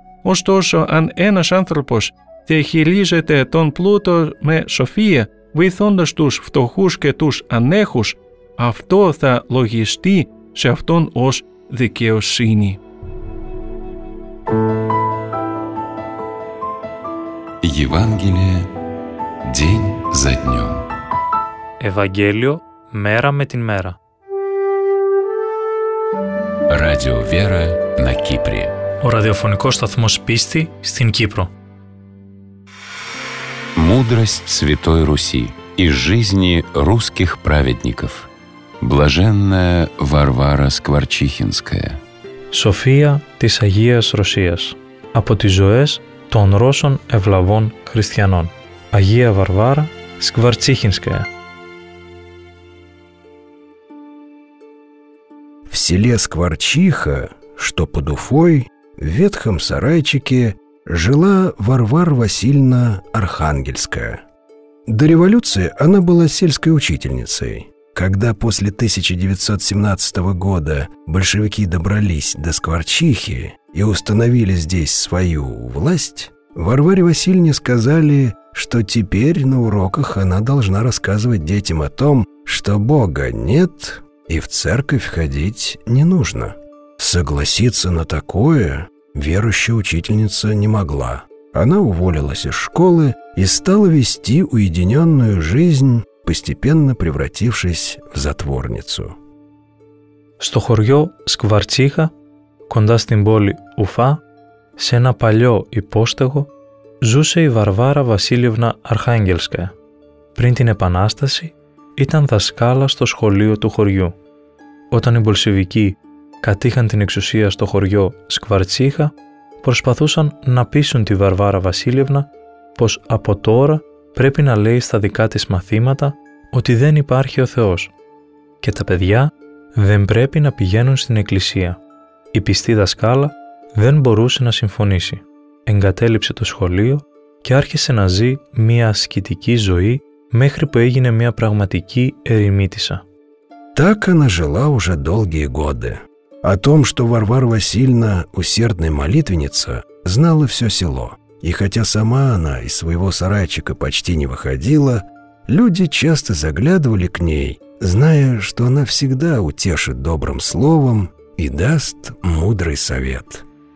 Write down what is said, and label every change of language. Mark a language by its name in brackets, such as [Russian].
[Greek] Ωστόσο, αν ένας άνθρωπος διαχειρίζεται τον πλούτο με σοφία, βοηθώντας τους φτωχούς και τους ανέχους, αυτό θα λογιστεί σε αυτόν ως δικαιοσύνη. [Russian] Евангелие день за днем. [Greek] Ευαγγέλιο μέρα με την μέρα. [Russian] Radio Vera на Кипре. [Greek] Ο ραδιοφωνικός σταθμός πίστη στην Κύπρο. [Russian] Мудрость Святой Руси и жизни русских праведников. Блаженная Варвара Скворчихинская. [Greek] Σοφία της Αγίας Ρωσίας. Από τις ζωές των Ρώσων ευλαβών χριστιανών. Αγία Βαρβάρα Скворчихинская. [Russian] В селе Скворчиха, что под Уфой, в ветхом сарайчике жила Варвара Васильевна Архангельская. До революции она была сельской учительницей. Когда после 1917 года большевики добрались до Скворчихи и установили здесь свою власть, Варваре Васильевне сказали, что теперь на уроках она должна рассказывать детям о том, что Бога нет и в церковь ходить не нужно. Согласиться на такое верующая учительница не могла. Она уволилась из школы и стала вести уединенную жизнь, постепенно превратившись в затворницу. [Greek] Στο χωριό Скворчиха, κοντά στην πόλη Ουφά, σε ένα παλιό υπόστεγο, ζούσε η Βαρβάρα Βασίλευνα Αρχάγγελσκαια. Πριν την Επανάσταση, ήταν δασκάλα στο σχολείο του χωριού. Όταν οι Μπολσεβικοί κατήχαν την εξουσία στο χωριό Скворчиха, προσπαθούσαν να πείσουν τη Βαρβάρα Βασίλευνα πως από τώρα πρέπει να λέει στα δικά της μαθήματα ότι δεν υπάρχει ο Θεός και τα παιδιά δεν πρέπει να πηγαίνουν στην εκκλησία. Η πιστή δασκάλα δεν μπορούσε να συμφωνήσει. Εγκατέλειψε το σχολείο και άρχισε να ζει μια ασκητική ζωή μέχρι που έγινε μια πραγματική ερημίτισσα. [Russian] Так она жила уже долгие годы. О том, что Варвара Васильевна усердная молитвенница, знало все село. И хотя сама она из своего сарайчика почти не выходила, люди часто заглядывали к ней, зная, что она всегда утешит добрым словом и даст мудрый совет.